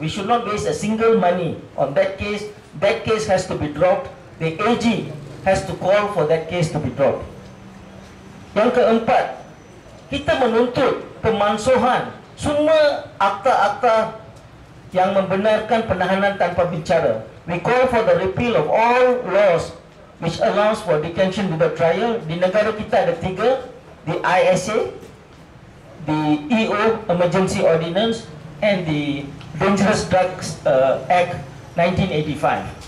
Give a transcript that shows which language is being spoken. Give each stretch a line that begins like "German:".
English: We should not waste a single money on that case. That case has to be dropped. The AG has to call for that case to be dropped.
Malay: Yang keempat, kita menuntut pemansuhan semua akta-akta yang membenarkan penahanan tanpa bicara.
English: We call for the repeal of all laws which allows for detention without trial.
Malay: Di negara kita ada tiga, the ISA, the EO Emergency Ordinance and the Dangerous Drugs Act 1985.